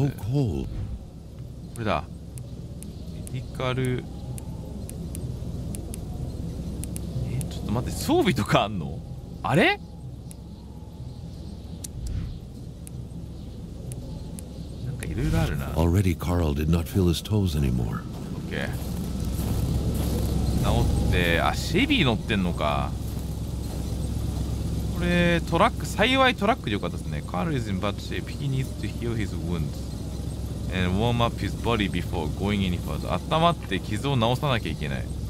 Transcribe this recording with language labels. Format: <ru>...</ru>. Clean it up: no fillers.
<ja>これだ、メディカル。待って、装備とかあんの？あれ？なんかいろいろあるな。</ja> <en>Already Carl did not feel his toes anymore. Okay.</en> <ja>治って、あ、シェビー乗ってんのか。これトラック、幸いトラックでよかったですね。</ja> <en>Carl is in bad shape. He needs to heal his wounds and warm up his body before going any further.</en> <ja>温まって傷を治さなきゃいけない。</ja>